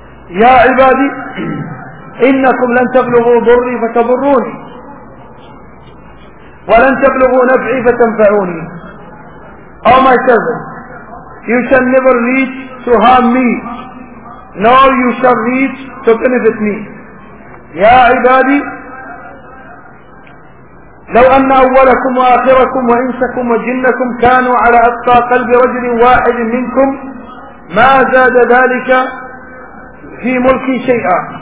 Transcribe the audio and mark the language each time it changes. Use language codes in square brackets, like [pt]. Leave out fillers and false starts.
[ar] يا عبادي إنكم لن تبلغوا ضري فتضروني ولن تبلغوا نفعي فتنفعوني. [en] Oh my servants, you shall never reach to harm me, nor you shall reach to benefit me. [ar] يا عبادي لو أن أولكم وآخركم وإنسكم وجنكم كانوا على أتقى قلب رجل واحد منكم ما زاد ذلك في ملكي شيئا.